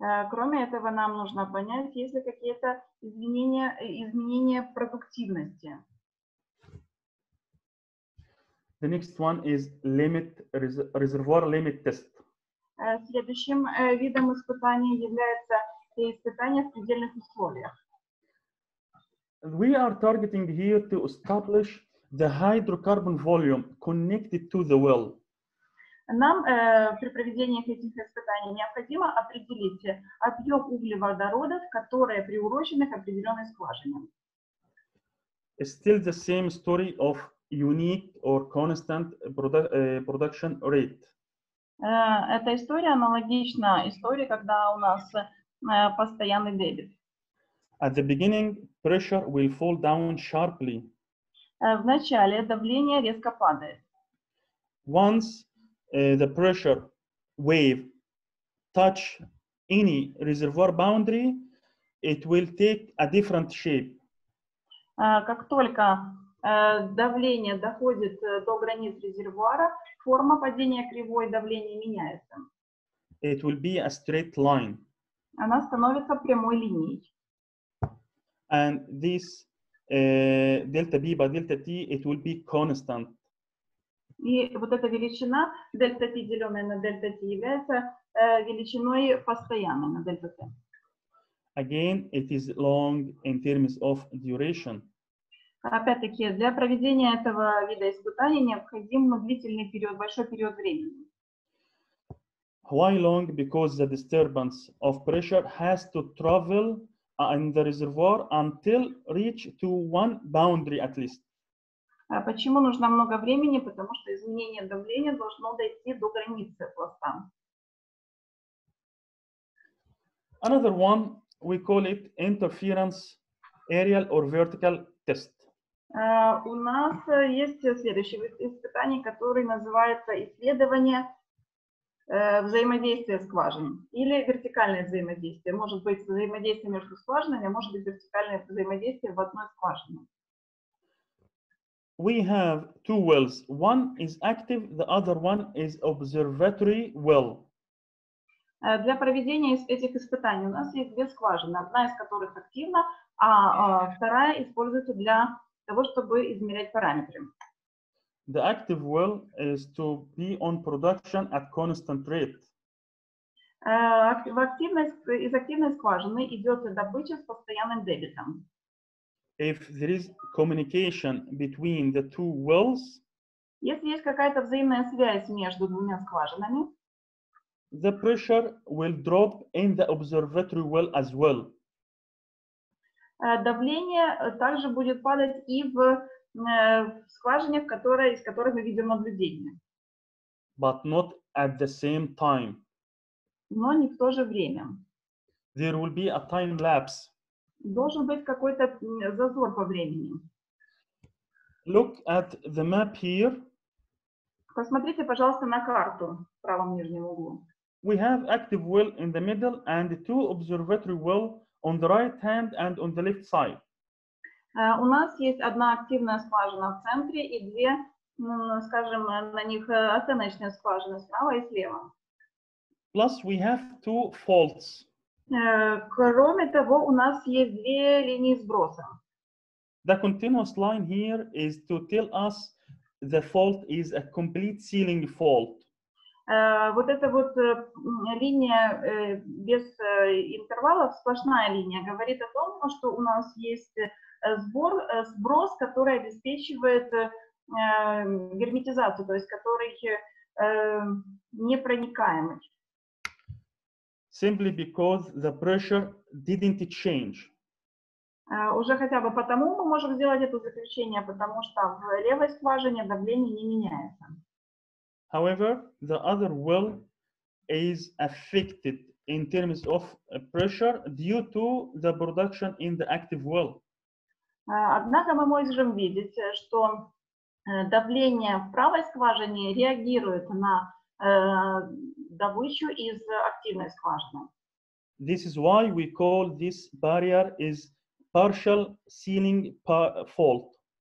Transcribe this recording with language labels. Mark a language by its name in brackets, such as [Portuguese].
[Russian] Кроме этого, нам нужно понять, есть ли какие-то изменения продуктивности. [English] The next one is reservoir limit test. [Russian] Следующим видом испытания является испытания в предельных условиях. [English] We are targeting here to establish the hydrocarbon volume connected to the well. [Russian] Нам при проведении этих испытаний необходимо определить объем углеводородов, которые приурочены к определенной скважине. [English] It's still the same story of unique or constant production rate. [Russian] Эта история аналогична истории, когда у нас постоянный дебет. [English] At the beginning, pressure will fall down sharply. [Russian] Вначале давление резко падает. [English] Once the pressure wave touch any reservoir boundary, it will take a different shape. [Russian] Как только давление доходит до границ резервуара, форма падения кривой давления меняется. [English] It will be a straight line. [Russian] Она становится прямой линией. [English] And this delta B by delta T, it will be constant. [Russian] И вот эта величина, delta T, деленная на delta T, является величиной постоянной на delta T. [English] Again, it is long in terms of duration. [Russian] Опять-таки, для проведения этого вида испытаний необходим длительный период, большой период времени. [English] Why long? Because the disturbance of pressure has to travel in the reservoir until reach to one boundary at least. [Russian] Почему нужно много времени? Потому что изменение давления должно дойти до границы пласта. [English] Another one, we call it interference aerial or vertical test. [Russian] У нас есть следующее испытание, которое называется исследование взаимодействие скважин или вертикальное взаимодействие. Может быть взаимодействие между скважинами, а может быть вертикальное взаимодействие в одной скважине. [English] We have two wells. One is active, the other one is observatory well. [Russian] Для проведения этих испытаний у нас есть две скважины, одна из которых активна, а вторая используется для того, чтобы измерять параметры. [English] The active well is to be on production at constant rate. [Russian] Из активной скважины идет добыча с постоянным дебитом. [English] If there is communication between the two wells, [Russian] если есть какая-то взаимная связь между двумя скважинами, [English] the pressure will drop in the observatory well as well. [Russian] Давление также будет падать и в скважине, из которой мы видим наблюдение. [English] But not at the same time. [Russian] Но не в то же время. [English] There will be a time lapse. [Russian] Должен быть какой-то зазор по времени. [English] Look at the map here. [Russian] Посмотрите, пожалуйста, на карту в правом нижнем углу. [English] We have active well in the middle and two observatory well on the right hand and on the left side. [Russian] У нас есть одна активная скважина в центре и две, скажем, на них оценочные скважины справа и слева. [English] Plus we have two faults. [Russian] Кроме того, у нас есть две линии сброса. [English] The continuous line here is to tell us the fault is a complete ceiling fault. [Russian] Вот эта вот линия без интервалов, сплошная линия, говорит о том, что у нас есть сброс, который обеспечивает герметизацию, то есть который непроникаемый. [English] Simply because the pressure didn't change. [Russian] Уже хотя бы потому мы можем сделать это заключение, потому что в левой скважине давление не меняется. [English] However, the other well is affected in terms of pressure due to the production in the active well. [Russian] Однако мы можем видеть, что давление в правой скважине реагирует на добычу из активной скважины. [English] This is why we call this barrier is partial ceiling fault.